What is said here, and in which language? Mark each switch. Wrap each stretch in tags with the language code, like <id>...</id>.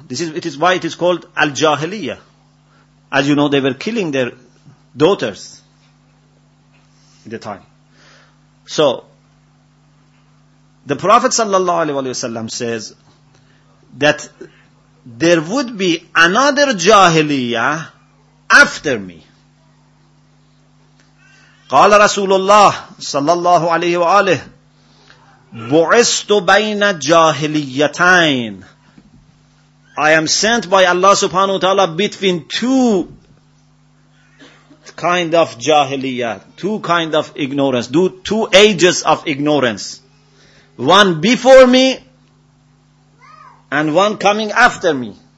<en>It is why it is called Al-Jahiliyyah. As you know, they were killing their daughters at the time. So, the Prophet sallallahu alaihi wasallam says that there would be another jahiliyyah after me.</en> <ar>قال رسول الله صلى الله عليه وآله بعثت بين جاهليتين.</ar> <en>I am sent by Allah subhanahu wa ta'ala between two kind of jahiliyyah, two kind of ignorance, two ages of ignorance. One before me and one coming after me.</en>